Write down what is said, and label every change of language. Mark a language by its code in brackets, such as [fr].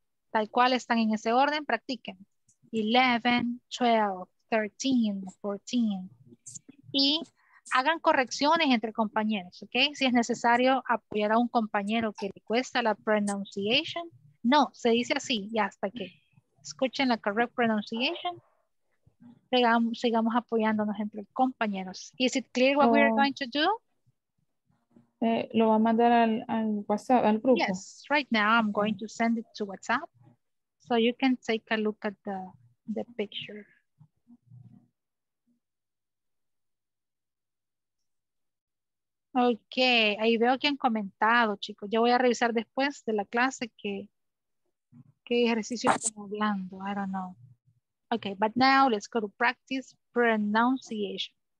[es] Tal cual están en ese orden, practiquen. 11, 12, 13, 14. Y hagan correcciones entre compañeros, ¿ok? Si es necesario apoyar a un compañero que le cuesta la pronunciation. No, se dice así y hasta que escuchen la [en] correct pronunciation. [es] Sigamos apoyándonos entre compañeros. [en] Is it clear what we are going to do? [es] Lo va a mandar al WhatsApp, al grupo. [en] Yes, right now I'm going to send it to WhatsApp. So you can take a look at the picture. [es] Ok, ahí veo que han comentado, chicos. Yo voy a revisar después de la clase que... ¿Qué ejercicio estamos hablando? [en] I don't know. Okay, but now let's go to practice pronunciation.